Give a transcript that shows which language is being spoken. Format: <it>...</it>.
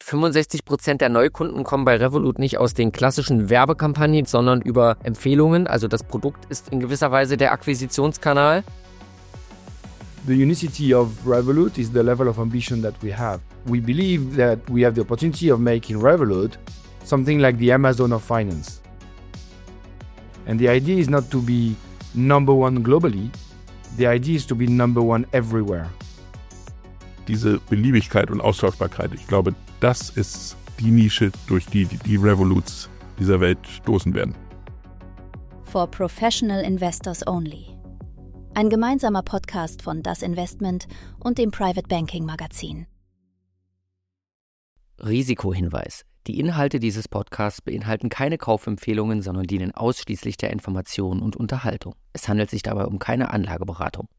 <de>65% der Neukunden kommen bei Revolut nicht aus den klassischen Werbekampagnen, sondern über Empfehlungen. Also das Produkt ist in gewisser Weise der Akquisitionskanal.</de> <en>The unicity of Revolut is the level of ambition that we have. We believe that we have the opportunity of making Revolut something like the Amazon of finance. And the idea is not to be number one globally. The idea is to be number one everywhere.</en> <de>Diese Beliebigkeit und Austauschbarkeit, ich glaube, das ist die Nische, durch die die Revoluts dieser Welt stoßen werden.</de> <en>For professional investors only.</en> <de>Ein gemeinsamer Podcast von Das Investment und dem Private Banking Magazin. Risikohinweis: Die Inhalte dieses Podcasts beinhalten keine Kaufempfehlungen, sondern dienen ausschließlich der Information und Unterhaltung. Es handelt sich dabei um keine Anlageberatung.</de>